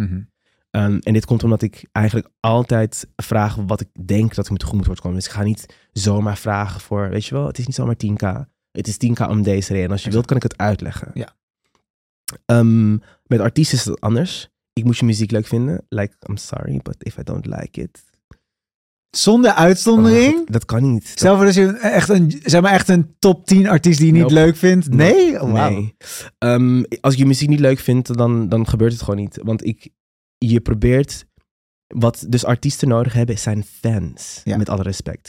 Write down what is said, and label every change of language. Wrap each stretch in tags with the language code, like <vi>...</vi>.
<nl>Mm-hmm. En dit komt omdat ik eigenlijk altijd vraag wat ik denk dat ik me tegemoet wordt komen. Dus ik ga niet zomaar vragen voor, weet je wel, het is niet zomaar 10k. Het is 10k om deze reden. Als je wilt, kan ik het uitleggen. Ja. Met artiesten is het anders. Ik moet je muziek leuk vinden.</nl> <en>Like, I'm sorry, but if I don't like it...</en> <nl>Zonder uitzondering? Oh, dat kan niet. Zelfs als je echt een, zeg maar echt een top 10 artiest die je niet leuk vindt? Nee? Oh, wow. Nee. Als ik je muziek niet leuk vindt, dan gebeurt het gewoon niet. Want je probeert... Wat dus artiesten nodig hebben, zijn fans. Ja. Met alle respect.</nl>